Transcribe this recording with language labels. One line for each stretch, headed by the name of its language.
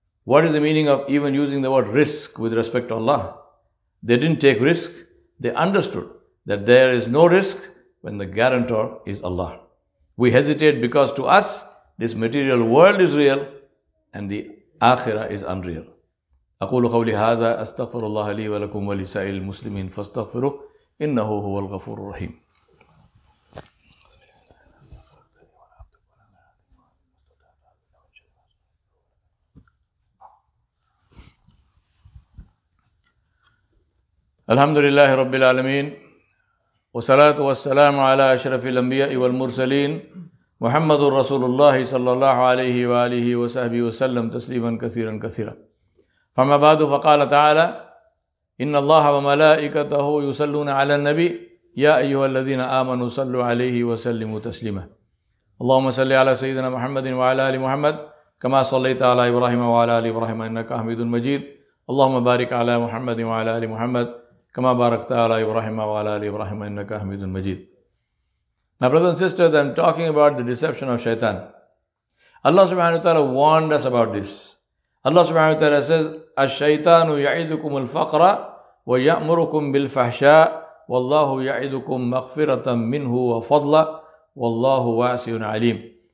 English: What is the meaning of even using the word risk with respect to Allah? They didn't take risk. They understood that there is no risk when the guarantor is Allah. We hesitate because to us, this material world is real and the akhirah is unreal.
Arabic: أقول قولي هذا أستغفر الله لي ولكم ولسائر المسلمين فاستغفروه إنه هو الغفور الرحيم. الحمد لله رب العالمين والصلاة والسلام على أشرف الأنبياء والمرسلين محمد رسول الله صلى الله عليه وآله وصحبه وسلم تسليما كثيرا كثيرا. فما بعد فقال تعالى إن الله وملائكته يصلون على النبي يا أيها الذين آمنوا صلوا عليه وسلموا تسليما. اللهم صل على سيدنا محمد وعلى آل محمد كما صليت على إبراهيم وعلى آل إبراهيم إنك حميد مجيد. اللهم بارك على محمد وعلى آل محمد كما باركت على إبراهيم وعلى آل إبراهيم إنك حميد مجيد.
English: My brothers and sisters, I'm talking about the deception of shaitan. Allah subhanahu wa ta'ala warned us about this. Allah subhanahu wa ta'ala says,
Arabic: أَشَّيْطَانُ يَعِدُكُمُ الْفَقْرَ وَيَأْمُرُكُمْ بِالْفَحْشَاءِ وَاللَّهُ يَعِدُكُمْ مَغْفِرَةً مِّنْهُ وَفَضْلًا وَاللَّهُ وَاسِعٌ عَلِيمٌ.